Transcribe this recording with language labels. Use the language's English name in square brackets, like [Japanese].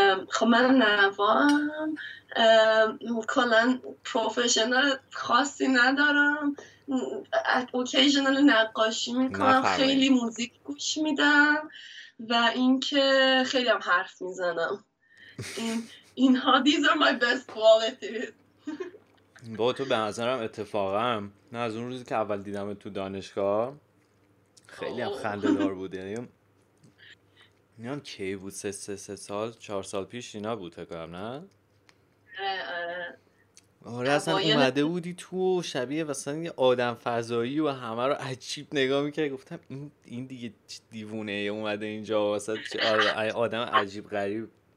[Persian] خب من نوام، کلن پروفشنال خاصی ندارم، اوکیژنال نقاشی میکنم، خیلی موزیک گوش میدم و اینکه خیلی هم حرف میزنم. اینها [English] these are my best qualities. [Persian] با تو به نظرم اتفاقا نه، از اون روزی که اول دیدم تو دانشگاه خیلی هم خنده دار بوده. نیان کی بود؟ سه سال، چهار سال پیش اینا بود تکرم نه؟ آره اصلا اومده بودی تو شبیه مثلا یه آدم فضایی و همه رو عجیب نگاه میکرد، گفتم این دیگه دیوونه یه اومده اینجا واسه آدم عجیب غریب.